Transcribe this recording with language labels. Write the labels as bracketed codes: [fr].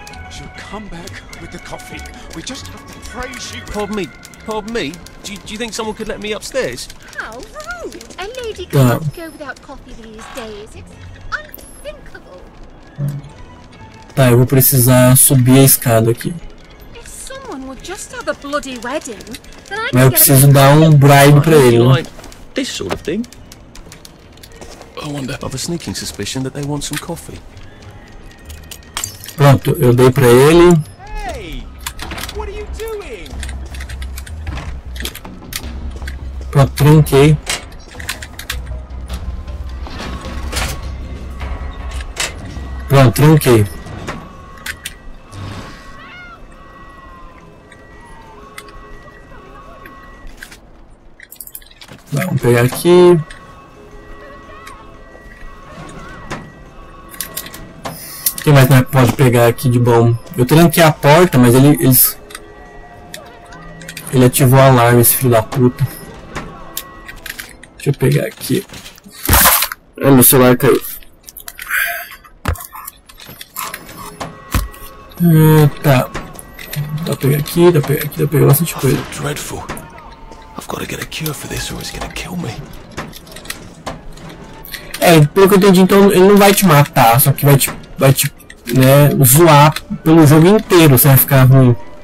[en] She'll come back with the coffee. We just have to pray she will. Pardon me. Pardon me. Do you think someone could let me upstairs? A lady can't go without coffee these days. It's unthinkable. [pt] Tá, eu vou precisar subir a escada aqui. [en] If someone would just have a bloody wedding, then [pt] eu preciso dar um bribe pra ele. [en] This sort of thing. I wonder. I have a sneaking suspicion that they want some coffee. [pt] Pronto, eu dei pra ele. Pronto, tranquei. Pronto, tranquei. Vamos pegar aqui. O que mais né, pode pegar aqui de bom? Eu tranquei a porta, mas ele ativou o alarme, esse filho da puta. Deixa eu pegar aqui. Olha, meu celular caiu. Tá. Dá pra pegar aqui, dá pra pegar aqui, dá pra pegar bastante coisa. [en] Dreadful. I've got to get a cure for this or it's gonna kill me. [pt] É, pelo que eu entendi, então ele não vai te matar, só que vai te né, zoar pelo jogo inteiro, você vai ficar ruim.